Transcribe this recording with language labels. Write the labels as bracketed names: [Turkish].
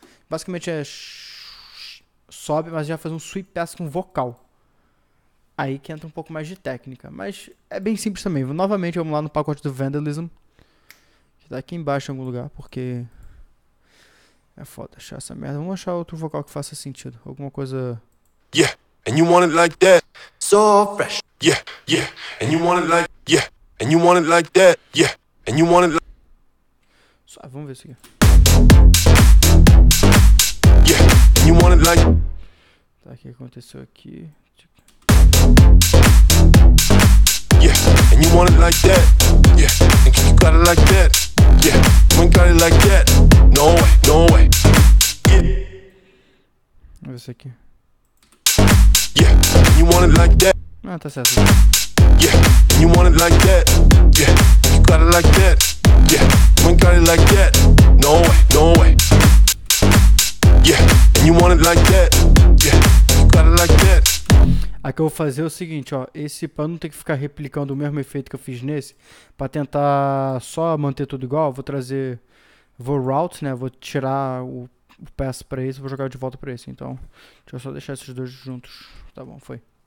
[Portuguese] Basicamente é, sobe, mas a gente vai fazer um sweep pass com vocal. Aí que entra um pouco mais de técnica, mas é bem simples também. Novamente, vamos lá no pacote do Vandalism, que tá aqui embaixo em algum lugar, porque... É foda achar essa merda. Vamos achar outro vocal que faça sentido. Alguma coisa. [English] Yeah, and you want it like that. So fresh. Yeah, yeah, and you want it like. Yeah, and you want it like that. Yeah, and you want it like. [Portuguese] Só, vamos ver isso aqui. [English] Yeah, and you want it like. [Portuguese] Tá, o que aconteceu aqui? Tipo... [English] Yeah, and you want it like that. Yeah, and you got it like that. Yeah. Got it like that. No way, no way. Yeah. [Portuguese] Vamos ver isso aqui. [English] Yeah, you want it like that. [Portuguese] Ah, tá certo. [English] Yeah, you want it like that. Yeah, you got it like that. Yeah, you ain't got it like that. No way, no way. Yeah, you want it like that. Yeah, you got it like that. [Portuguese] Aqui eu vou fazer o seguinte, ó, esse pra não ter que ficar replicando o mesmo efeito que eu fiz nesse, pra tentar só manter tudo igual, vou trazer, vou route, né, vou tirar o pass pra esse, vou jogar de volta pra esse, então, deixa eu só deixar esses dois juntos, tá bom, foi.